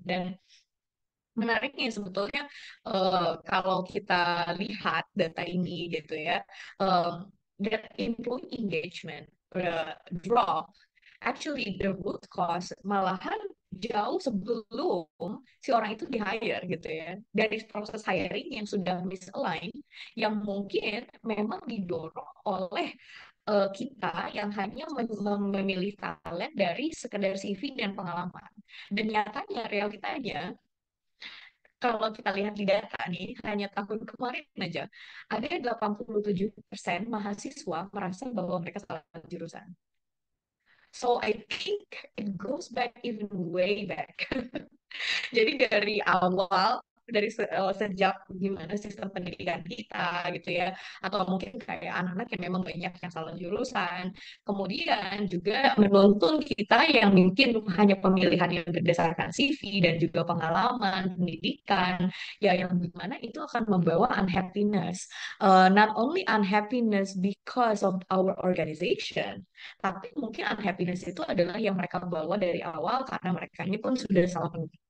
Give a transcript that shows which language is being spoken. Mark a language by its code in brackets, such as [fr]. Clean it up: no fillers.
[id] Dan menariknya sebetulnya kalau kita lihat data ini gitu ya, [en] that employee engagement drop actually the root cause [id] malahan jauh sebelum si orang itu di hire gitu ya, dari proses hiring yang sudah misalign yang mungkin memang didorong oleh kita yang hanya memilih talent dari sekedar CV dan pengalaman. Dan nyatanya realitanya kalau kita lihat di data nih, hanya tahun kemarin aja, ada 87% mahasiswa merasa bahwa mereka salah jurusan. [en] So I think it goes back even way back. [id] Jadi dari awal, dari sejak gimana sistem pendidikan kita gitu ya, atau mungkin kayak anak-anak yang memang banyak yang salah jurusan, kemudian juga menuntun kita yang mungkin hanya pemilihan yang berdasarkan CV dan juga pengalaman pendidikan ya, yang gimana itu akan membawa unhappiness, [en] not only unhappiness because of our organization, [id] tapi mungkin unhappiness itu adalah yang mereka bawa dari awal karena mereka ini pun sudah salah.